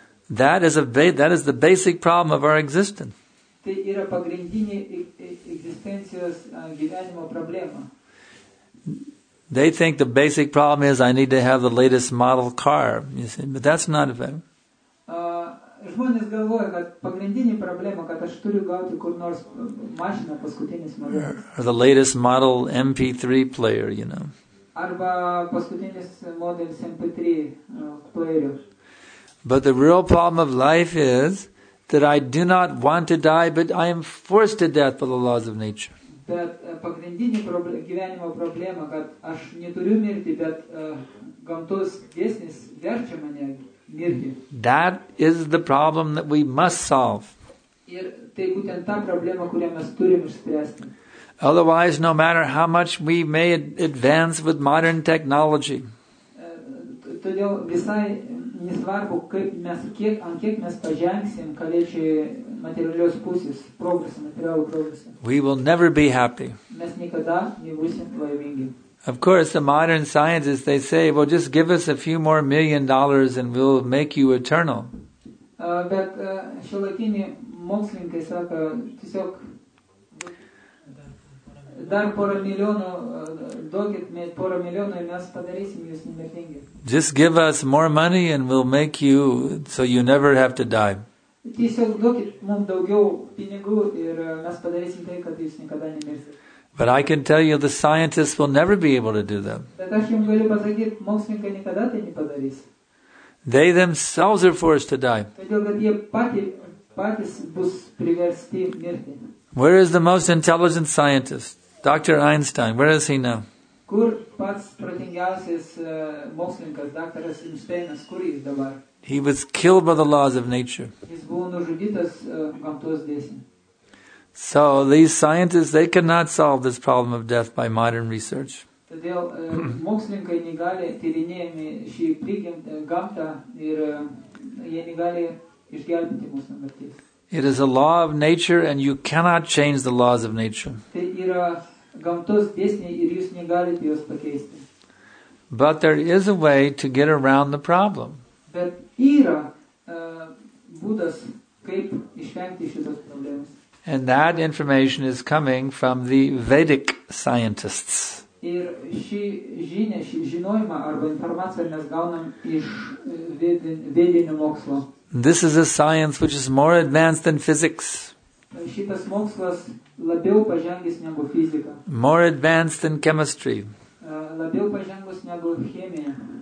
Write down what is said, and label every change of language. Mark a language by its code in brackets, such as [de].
[en] That is the basic problem of our existence. [lt] Tai yra pagrindinė egzistencijos gyvenimo problema. [en] They think the basic problem is I need to have the latest model car, you see, but that's not a thing. [lt] Žmonės galvoja, kad pagrindinė problema, kad aš turiu gauti kur nors mašiną paskutinis modelis. [en] Or the latest model MP3 player, you know. [lt] Arba paskutinis modelis MP3 player. [en] But the real problem of life is that I do not want to die, but I am forced to death by the laws of nature. [lt] Bet pagrindinė gyvenimo problema, kad aš neturiu mirti, bet gamtos dėsnis verčia mane mirti. [en] That is the problem that we must solve. [lt] Ir tai būtent ta problema, kurią mes turim išspręsti. [en] Otherwise, no matter how much we may advance with modern technology, [lt] todėl visai nesvarbu, kiek mes pažengsim kaliečiai materialios pusės, progresą, materialų progresą. [en] We will never be happy. [lt] Mes niekada nebūsim laimingi. [en] Of course, the modern scientists, they say, well, just give us a few more $1 million and we'll make you eternal. [lt] Bet šiuolaikiniai mokslininkai sako, tiesiog dar porą milijonų, duokit porą milijonų ir mes padarysim jūs nemirtingi. [en] Just give us more money and we'll make you so you never have to die. [lt] Tiesiog duokit mums daugiau pinigų ir mes padarysim tai, kad jūs niekada nemirsit. [en] But I can tell you the scientists will never be able to do that. [lt] Bet aš jums galiu pasakyt, mokslininkai niekada tai nepadarys. [en] They themselves are forced to die. [lt] Todėl kad jie patys bus priversti mirti. [en] Where is the most intelligent scientist? Dr. Einstein, where is he now? [lt] Kur pats protingiausias mokslininkas, Dr. Einsteinas, kur jis dabar? [en] He was killed by the laws of nature. [lt] Jis buvo nužudytas gamtos dėsnių. [en] So these scientists, they cannot solve this problem of death by modern research. [lt] Todėl mokslininkai negali tyrinėjami šį prigimtą gamtą ir jie negali išgelbėti mūsų mirties. [en] It is a law of nature and you cannot change the laws of nature. [lt] Tai yra gamtos dėsniai ir jūs negalite juos pakeisti. [en] But there is a way to get around the problem. [lt] Bet yra būdas, kaip išvengti šitos problemos. [en] And that information is coming from the Vedic scientists. [lt] Ir ši žinia, ši žinojimą arba informaciją mes gaunam iš vedinių mokslo. [en] This is a science which is more advanced than physics. [lt] Šitas mokslas labiau pažengęs negu fizika. [en] More advanced than chemistry. [lt] Labiau pažengęs negu chemija.